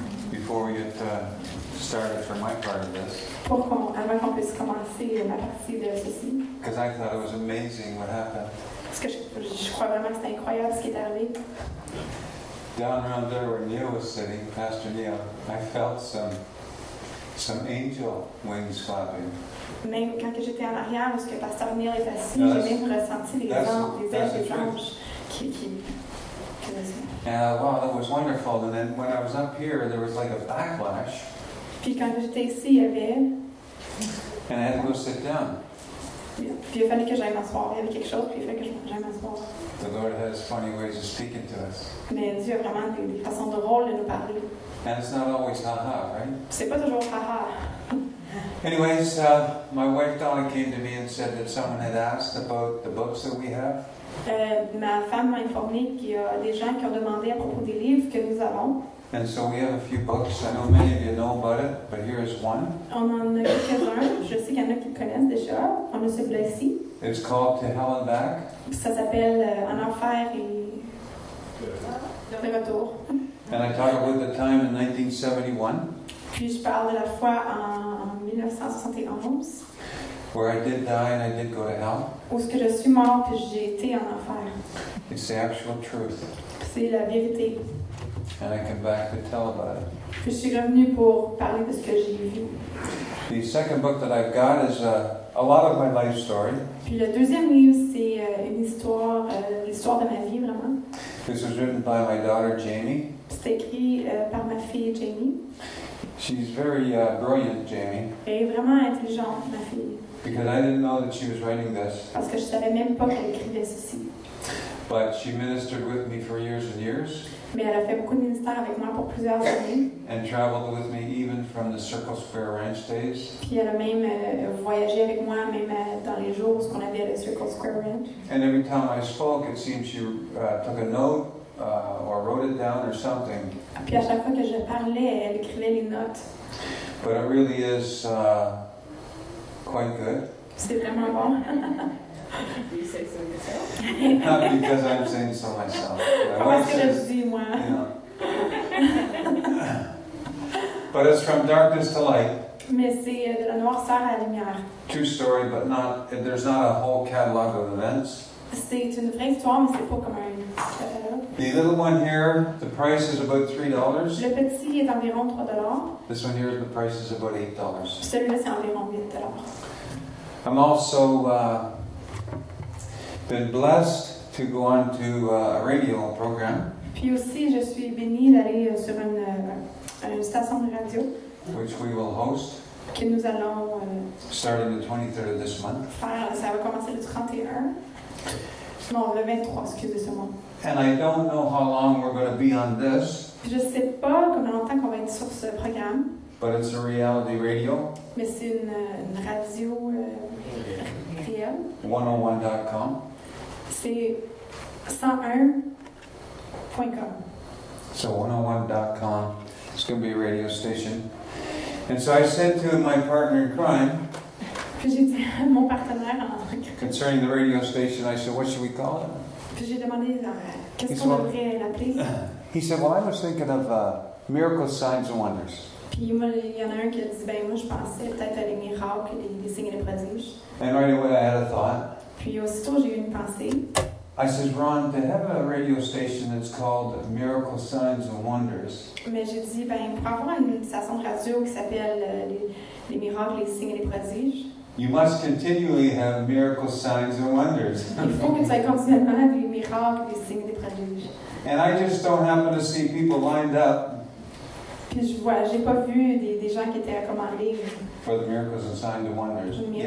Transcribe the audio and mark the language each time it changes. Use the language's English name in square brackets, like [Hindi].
[English] Before we get started for my part of this. [French] Avant qu'on puisse commencer ma partie de ceci. [English] Because I thought it was amazing what happened. [French] Parce que je crois vraiment que c'est incroyable ce qui est arrivé. [English] Down around there where Neil was sitting, Pastor Neil, I felt some angel wings flapping. [French] Même quand j'étais en arrière, parce que Pasteur Neil est assis, j'ai même ressenti des anges qui [English] Wow, that was wonderful. And then when I was up here, there was like a backlash. [French] Puis quand j'étais ici, il y avait. [English] And I had to go sit down. [French] Puis il fallait que j'aille m'asseoir. Il y avait quelque chose, puis il fallait que j'aille m'asseoir. [English] The Lord has funny ways of speaking to us. [French] Mais Dieu a vraiment des façons drôles de nous parler. [English] And it's not always ha-ha, right? [French] C'est pas toujours ha-ha. [English] Anyways, my wife Donna came to me and said that someone had asked about the books that we have. [French] Ma femme m'a informé qu'il y a des gens qui ont demandé à propos des livres que nous avons. [English] And so we have a few books. I know many of you know about it, but here is one. [French] On en a quelques-uns. Je sais qu'il y en a qui connaissent déjà. On a celui-ci. [English] It's called To Hell and Back. [French] Ça s'appelle En Enfer et Le Retour. [English] And I talk about the time in 1971. [French] Puis je parle de la foi en 1971. [English] Where I did die and I did go to hell. [French] Où est-ce que je suis mort puis j'ai été en enfer. [English] It's the actual truth. [French] C'est la vérité. [English] And I came back to tell about it. [French] Puis je suis revenu pour parler de ce que j'ai vu. [English] The second book that I've got is a lot of my life story. [French] Puis le deuxième livre, c'est une histoire, l'histoire de ma vie, vraiment. [English] This was written by my daughter, Jamie. [French] C'est écrit par ma fille, Jamie. [English] She's very brilliant, Jamie. [French] Elle est vraiment intelligente, ma fille. [English] Because I didn't know that she was writing this. [French] Parce que je savais même pas qu'elle écrivait ceci. [English] But she ministered with me for years and years. [French] Mais elle a fait beaucoup de ministère avec moi pour plusieurs années. [English] And traveled with me even from the Circle Square Ranch days. [French] Puis elle a même voyagé avec moi même dans les jours où on avait le Circle Square Ranch. [English] And every time I spoke, it seemed she took a note or wrote it down or something. [French] Puis à chaque fois que je parlais, elle écrivait les notes. [English] But it really is. Quite good. [French] C'est vraiment bon. [English] Not because I'm saying so myself. But it's from darkness to light. [French] Mais c'est de la noirceur à la lumière. [English] True story, but not. There's not a whole catalog of events. [French] C'est une vraie histoire, mais c'est pas comme un. [English] The little one here, the price is about $3. [French] Le petit est environ $3. [English] This one here, the price is about $8. [French] Celui-là, c'est environ $8. [English] I'm also been blessed to go on to a radio program. [French] Puis aussi, je suis bénie d'aller sur une station de radio. [English] Which we will host. [French] Que nous allons. [English] Starting the 23rd of this month. [French] Ça va commencer le 31. Non, le 23, excusez-moi. [English] And I don't know how long we're going to be on this. [French] Je sais pas combien de temps qu'on va être sur ce programme. [English] But it's a reality radio. [French] Mais c'est une radio réelle. 101.com. C'est 101.com. [English] So 101.com. It's going to be a radio station. And so I said to my partner in crime. [French] Puis j'ai dit à mon partenaire en crime. [English] Concerning the radio station, I said, what should we call it? [French] Puis j'ai demandé, qu'est-ce qu'on devrait l'appeler? [English] He said, well, I was thinking of miracles, signs, and wonders. [French] Puis il y en a un qui a dit, ben moi, je pensais peut-être à des miracles, des signes et des prodiges. [English] And right away, I had a thought. [French] Puis aussitôt, j'ai eu une pensée. [English] I said, Ron, to have a radio station that's called Miracles, Signs, and Wonders. [French] Mais j'ai dit, ben pour avoir une station de radio qui s'appelle les miracles, les signes et les prodiges. [English] You must continually have miracles, signs, and wonders. And I just don't happen to see people lined up for the miracles and signs and wonders.